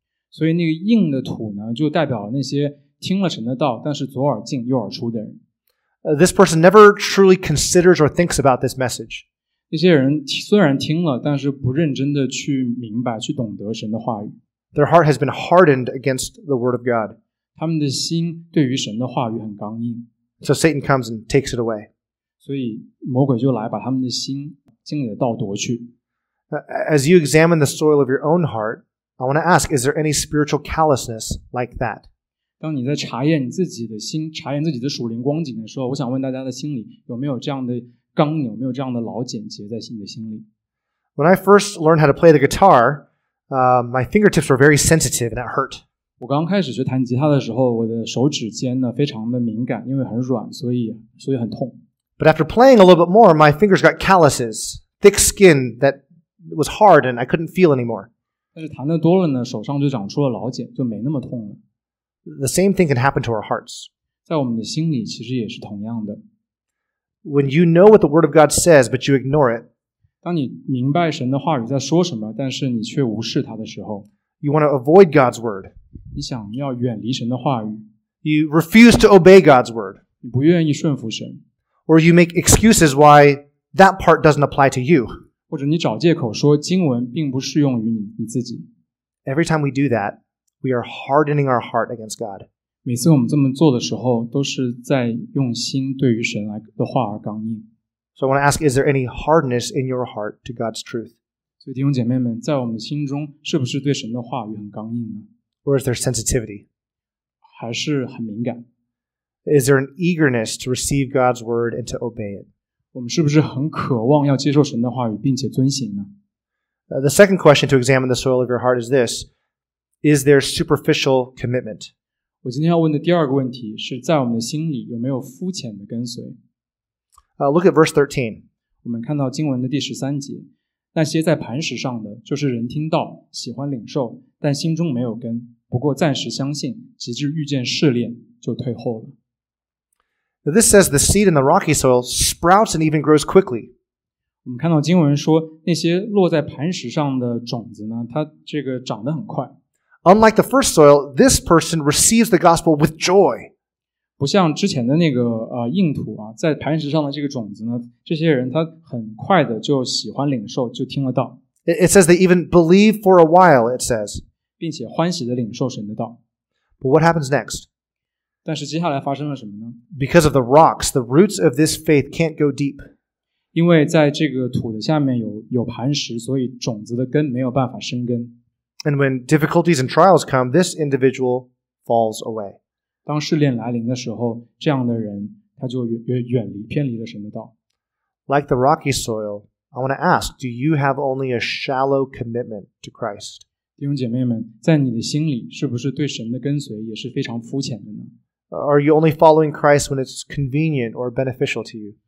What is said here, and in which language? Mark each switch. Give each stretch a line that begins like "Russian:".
Chinese: 所以那个硬的土呢，就代表了那些听了神的道，但是左耳进右耳出的人。
English: This person never truly considers or thinks about this message.
Chinese: 那些人虽然听了，但是不认真的去明白，去懂得神的话语。
English: Their heart has been hardened against the word of God.
Chinese: 他们的心对于神的话语很刚硬。
English: So Satan comes and takes it away.
Chinese: 所以魔鬼就来把他们的心经历的道夺去。
English: As you examine the soil of your own heart, I want to ask, is there any spiritual callousness like that?
Chinese: 当你在查验你自己的心，查验自己的属灵光景的时候，我想问大家的心里有没有这样的刚硬，有没有这样的老茧结在你的心里。
English: When I first learned how to play the guitar, my fingertips were very sensitive and it hurt.
Chinese: 我刚开始学弹吉他的时候，我的手指尖呢非常的敏感，因为很软，所以很痛。
English: But after playing a little bit more, my fingers got calluses, thick skin that was hard and I couldn't feel anymore.
Chinese: 但是弹得多了呢，手上就长出了老茧，就没那么痛了。
English: The same thing can happen to our hearts.
Chinese: 在我们的心里其实也是同样的。
English: When you know what the word of God says, but you ignore it,
Chinese: 当你明白神的话语在说什么，但是你却无视它的时候，
English: you want to avoid God's word.
Chinese: 你想要远离神的话语。
English: You refuse to obey God's word.
Chinese: 你不愿意顺服神。
English: Or you make excuses why that part doesn't apply to you.
Chinese: 或者你找借口说经文并不适用于你自己。
English: Every time we do that, we are hardening our heart against God.
Chinese: 每次我们这么做的时候，都是在用心对于神来的话而刚硬。
English: So I want to ask, is there any hardness in your heart to God's truth?
Chinese: 所以弟兄姐妹们，在我们的心中是不是对神的话语很刚硬呢？
English: Or is there sensitivity?
Chinese: 还是很敏感。
English: Is there an eagerness to receive God's word and to obey it?
Chinese: 我们是不是很渴望要接受神的话语并且遵行呢？
English: The second question to examine the soil of your heart is this. Is there superficial commitment?
Chinese: 我今天要问的第二个问题是在我们的心里有没有肤浅的跟随。
English: Look at verse 13.
Chinese: 我们看到经文的第十三节。那些在磐石上的就是人听到喜欢领受但心中没有根不过暂时相信直至遇见试炼就退后了。
English: Now this says the seed in the rocky soil sprouts and even grows quickly.
Chinese: 我们看到经文说那些落在磐石上的种子呢它这个长得很快。
English: Unlike the first soil, this person receives the gospel with joy.
Chinese: 不像之前的那个硬土啊在磐石上的这个种子呢这些人他很快的就喜欢领受就听了道。
English: It says they even believe for a while, it says.
Chinese: 并且欢喜的领受神的道。
English: But what happens next?
Chinese: 但是接下来发生了什么呢?
English: Because of the rocks, the roots of this faith can't go deep.
Chinese: 因为在这个土的下面有磐石，所以种子的根没有办法生根。
English: And when difficulties and trials come, this individual falls away.
Chinese: 当试炼来临的时候，这样的人他就远离偏离了神的道。
English: Like the rocky soil, I want to ask, do you have only a shallow commitment to Christ?
Chinese: 弟兄姐妹们，在你的心里是不是对神的跟随也是非常肤浅的呢？
English: Are you only following Christ when it's convenient or beneficial to you?